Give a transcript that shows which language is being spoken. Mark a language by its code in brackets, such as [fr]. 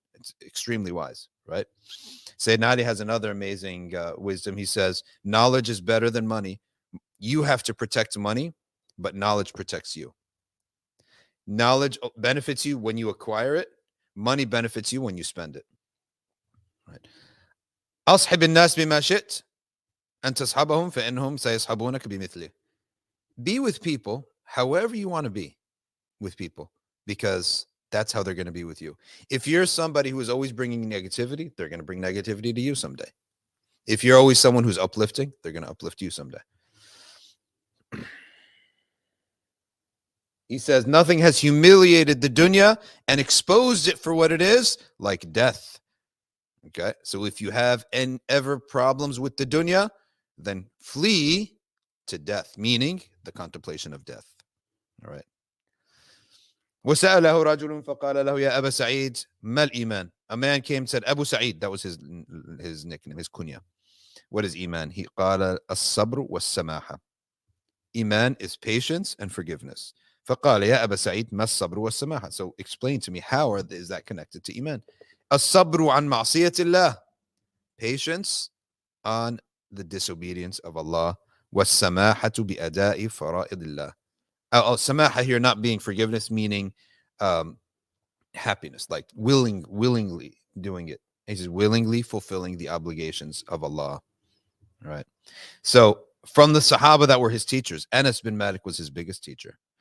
[en] It's extremely wise, right? Sayyidina Ali has another amazing wisdom. He says, knowledge is better than money. You have to protect money, but knowledge protects you. Knowledge benefits you when you acquire it. Money benefits you when you spend it. Right. [ar] أصحب الناس بما شئت أن تصحبهم فإنهم سيصحبونك بمثله. [en] Be with people however you want to be with people, because that's how they're going to be with you. If you're somebody who is always bringing negativity, they're going to bring negativity to you someday. If you're always someone who's uplifting, they're going to uplift you someday. He says, nothing has humiliated the dunya and exposed it for what it is, like death. Okay, so if you have any ever problems with the dunya, then flee to death, meaning the contemplation of death. All right. [ar] وسأله رجل فقال له يا أبا سعيد ما الإيمان? [en] A man came and said, Abu Sa'id, that was his nickname, his kunya. What is iman? [ar] He قال الصبر والسماحة. [en] Iman is patience and forgiveness. [ar] فقال يا أبا سعيد ما الصبر والسماحة? [en] So explain to me, how is that connected to iman? [ar] الصبر عن معصية الله. [en] Patience on the disobedience of Allah. [ar] والسماحة بأداء فرائض الله. [en] Samaha here, not being forgiveness, meaning happiness, like willingly doing it. He says, willingly fulfilling the obligations of Allah. Right. So from the Sahaba that were his teachers, Anas bin Malik was his biggest teacher.